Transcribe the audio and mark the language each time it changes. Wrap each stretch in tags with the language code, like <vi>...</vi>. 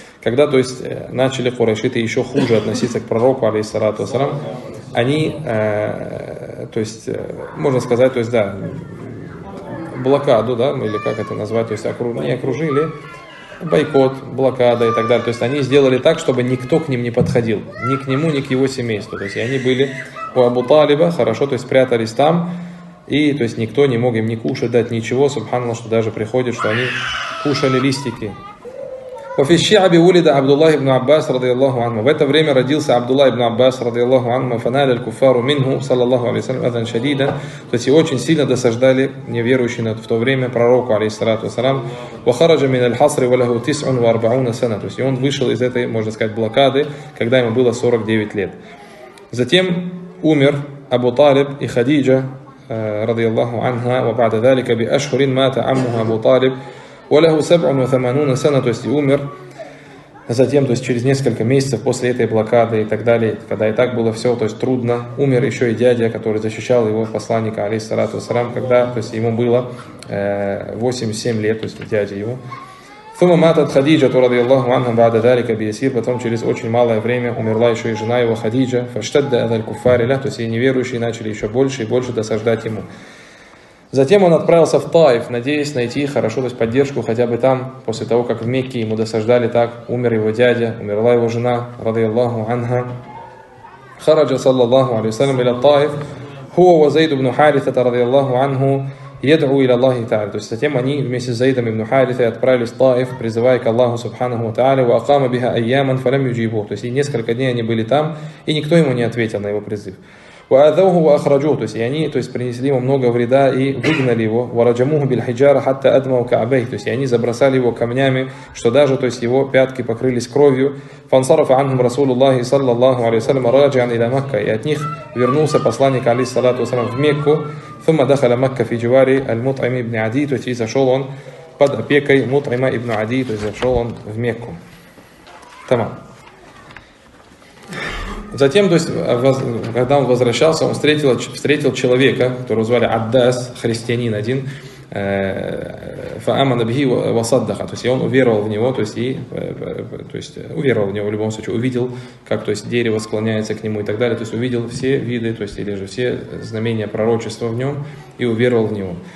<ru>Когда, то есть, начали курейшиты еще хуже относиться к пророку, алейхиссалату вассалам, они, то есть, можно сказать, то есть, да, блокаду, да, или как это назвать, то есть, не окружили, бойкот, блокада и так далее. То есть они сделали так, чтобы никто к ним не подходил. Ни к нему, ни к его семейству. То есть они были у Абу Талиба, хорошо, то есть спрятались там. И то есть никто не мог им ни кушать, дать ничего. Субханаллах, что даже приходит, что они кушали листики.</ru> <ar>وفي الشعب ولد عبد الله بن عباس رضي الله عنه.</ar> <ru>В это время родился Абдуллах ибн Аббас رضي الله عنه.</ru> <ar>فنال الكفار منه صلى الله عليه وسلم أذى شديدا.</ar> <ru>То есть очень сильно досаждали неверующие в то время пророку алейхиссалату вассалам.</ru> <ar>وخرج من الحصر وله 49 سنة.</ar> <ru>То есть он вышел из этой, можно сказать, блокады, когда ему было 49 лет. Затем умер Абу Талиб и Хадиджа رضي الله عنها.</ru> <ar>وبعد ذلك بأشهر مات عمه أبو طالب وله 87 سنة,</ar> <ru>то есть и умер. Затем, то есть через несколько месяцев после этой блокады и так далее, когда и так было все, то есть трудно, умер еще и дядя, который защищал его, посланника, алейхиссалату вассалам, когда, то есть ему было 87 лет, то есть дядя его.</ru> <ar>ثم ماتت خديجة رضي الله عنها بعد ذلك بيسير.</ar> <ru>Потом через очень малое время умерла еще и жена его Хадиджа.</ru> <ar>فاشتد هذا الكفار له,</ar> <ru>то есть и неверующие начали еще больше и больше досаждать ему. Затем он отправился в Таиф, надеясь найти хорошо, то есть поддержку хотя бы там, после того, как в Мекке ему досаждали так, умер его дядя, умерла его жена, رضي الله عنها.</ru> <ar>خرج صلى الله عليه وسلم إلى الطائف هو وزيد بن حارثة رضي الله عنه يدعو إلى الله تعالى.</ar> <ru>То есть затем они вместе с Зайдом ибн Харисой отправились в Таиф, призывая к Аллаху Субханаху Ва Тааля,</ru> <ar>وأقام بها أياما فلم يجيبوه.</ar> <ru>То есть и несколько дней они были там, и никто ему не ответил на его призыв.</ru> <ar>وأذوه وأخرجوه,</ar> <ru>то есть они, то есть принесли ему много вреда и выгнали его.</ru> <ar>ورجموه بالحجارة حتى أدموا كعبيه,</ar> <ru>то есть они забросали его камнями, что даже, то есть его пятки покрылись кровью.</ru> <ar>فانصرف عنهم رسول الله صلى الله عليه وسلم راجعا إلى مكة,</ar> <ru>и от них вернулся посланник алейхиссалату вассалам в Мекку.</ru> <ar>ثم دخل مكة في جوار المطعم ابن عدي,</ar> <ru>то есть зашел он под опекой Мутъима ибн Ади, то есть зашел он в Мекку. Тамам. Затем, то есть, когда он возвращался, он встретил человека, которого звали Аддас, христианин один,</ru> <ar>фаамана бихи васаддаха,</ar> <ru>то есть, и он уверовал в него, в любом случае, увидел, как, то есть, дерево склоняется к нему и так далее, то есть, увидел все виды, то есть, или же все знамения пророчества в нем и уверовал в него.</ru>